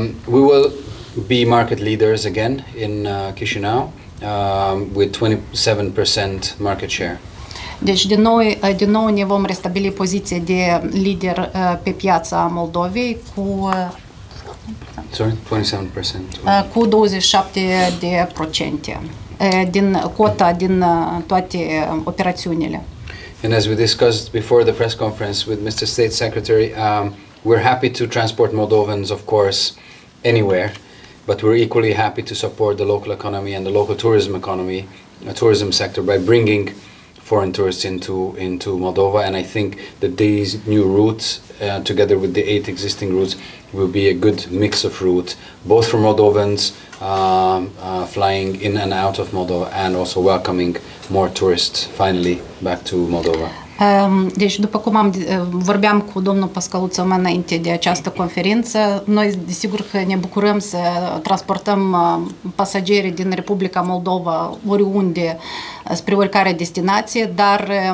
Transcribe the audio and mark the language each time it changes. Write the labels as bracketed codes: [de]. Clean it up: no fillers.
[en] We will be market leaders again in Chișinău with 27% market share. [ro] Deci din nou ne vom restabili poziția de lider pe piața Moldovei cu 27%. Cu 27% din cota din toate operațiunile. [en] And as we discussed before the press conference with Mr. State Secretary, We're happy to transport Moldovans, of course, anywhere, but we're equally happy to support the local economy and the local tourism economy, the tourism sector, by bringing foreign tourists into Moldova. And I think that these new routes, together with the 8 existing routes, will be a good mix of routes, both for Moldovans flying in and out of Moldova, and also welcoming more tourists finally back to Moldova. [ro] Deci, după cum am vorbeam cu domnul Pascaluță mai înainte de această conferință, noi desigur că ne bucurăm să transportăm pasagerii din Republica Moldova oriunde spre oricare destinație, dar